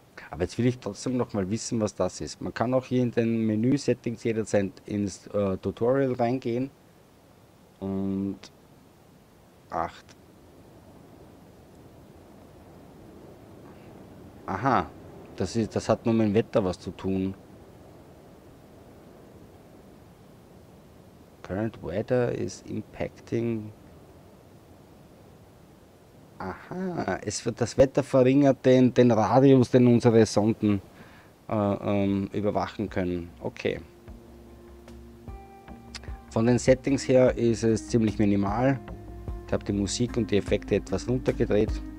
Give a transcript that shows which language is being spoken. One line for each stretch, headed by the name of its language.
German: Aber jetzt will ich trotzdem noch mal wissen, was das ist. Man kann auch hier in den Menü-Settings jederzeit ins Tutorial reingehen. Und acht. Aha, das hat nur mit dem Wetter was zu tun.
English: Current weather is impacting.
German: Aha, das Wetter verringert den Radius, den unsere Sonden überwachen können. Okay. Von den Settings her ist es ziemlich minimal. Ich habe die Musik und die Effekte etwas runtergedreht.